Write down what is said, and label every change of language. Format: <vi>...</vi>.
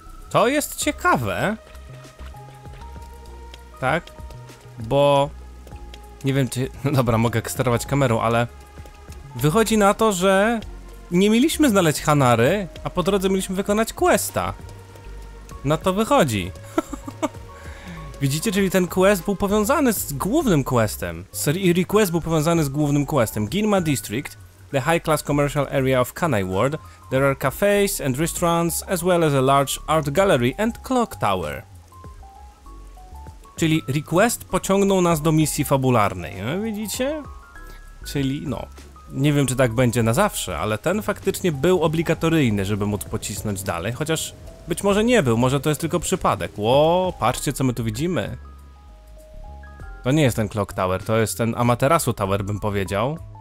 <pl>To jest ciekawe, tak, bo nie wiem czy, no dobra, mogę sterować kamerą, ale wychodzi na to, że nie mieliśmy znaleźć Hanary, a po drodze mieliśmy wykonać questa. No to wychodzi. Widzicie, czyli ten quest był powiązany z głównym questem, request był powiązany z głównym questem, Ginma District.</pl> <en>The high-class commercial area of Kanai Ward. There are cafes and restaurants, as well as a large art gallery and clock tower.</en> <pl>Czyli request pociągnął nas do misji fabularnej, no, widzicie? czyli no, nie wiem czy tak będzie na zawsze, ale ten faktycznie był obligatoryjny, żeby móc pocisnąć dalej, chociaż być może nie był, może to jest tylko przypadek. Ło, patrzcie co my tu widzimy. To nie jest ten Clock Tower, to jest ten Amaterasu Tower, bym powiedział.</pl>